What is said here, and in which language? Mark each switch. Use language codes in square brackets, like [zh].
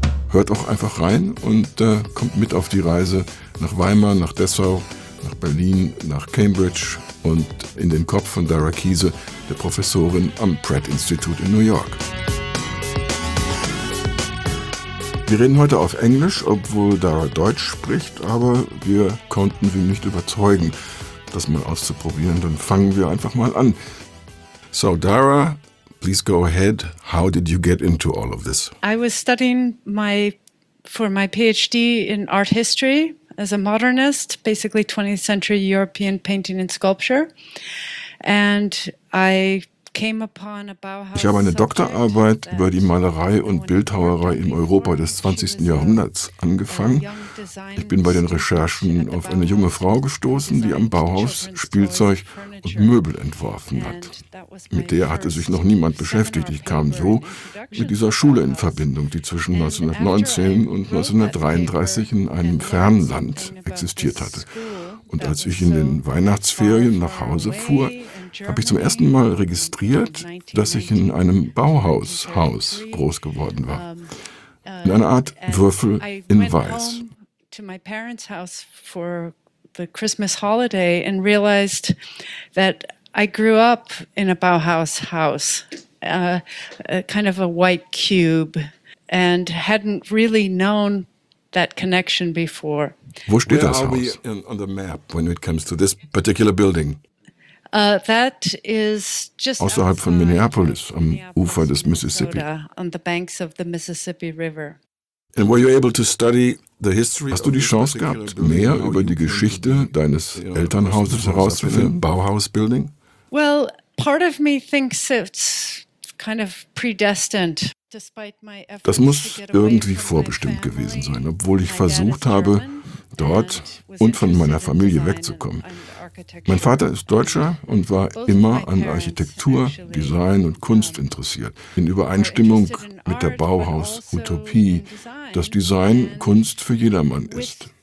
[de] Hört auch einfach rein und kommt mit auf die Reise nach Weimar, nach Dessau, nach Berlin, nach Cambridge und in den Kopf von Dara Kiese, der Professorin am Pratt Institute in New York. Wir reden heute auf Englisch, obwohl Dara Deutsch spricht, aber wir konnten sie nicht überzeugen, das mal auszuprobieren. Dann fangen wir einfach mal an. [en] So, Dara, please go ahead. How did you get into all of this? I was studying for my PhD in art history as a modernist, basically 20th century European painting and sculpture. And I [de] Ich habe eine Doktorarbeit über die Malerei und Bildhauerei im Europa des 20. Jahrhunderts angefangen. Ich bin bei den Recherchen auf eine junge Frau gestoßen, die am Bauhaus Spielzeug und Möbel entworfen hat. Mit der hatte sich noch niemand beschäftigt. Ich kam so mit dieser Schule in Verbindung, die zwischen 1919 und 1933 in einem fernen Land existiert hatte. Und als ich in den Weihnachtsferien nach Hause fuhr, habe ich zum ersten Mal registriert, dass ich in einem Bauhaushaus groß geworden war. In einer Art Würfel in Weiß. [en] To my parents' house for the Christmas holiday and realized that I grew up in a Bauhaus house, a kind of a white cube, and hadn't really known that connection before. [de] Wo steht das Haus? [en] On the map when it comes to this particular building. That is just [de] außerhalb von Minneapolis, am Ufer des Mississippi. [en] On the banks of the Mississippi River. And were you able to study the history? [de] Hast du die Chance gehabt, mehr über die Geschichte deines Elternhauses herauszufinden, Bauhaus-Building? [en] Well, part of me thinks it's kind of predestined. [de] Das muss irgendwie vorbestimmt gewesen sein, obwohl ich versucht habe, dort und von meiner Familie wegzukommen. Mein Vater ist Deutscher und war immer an Architektur, Design und Kunst interessiert. In Übereinstimmung mit der Bauhaus-Utopie, dass Design Kunst für jedermann ist.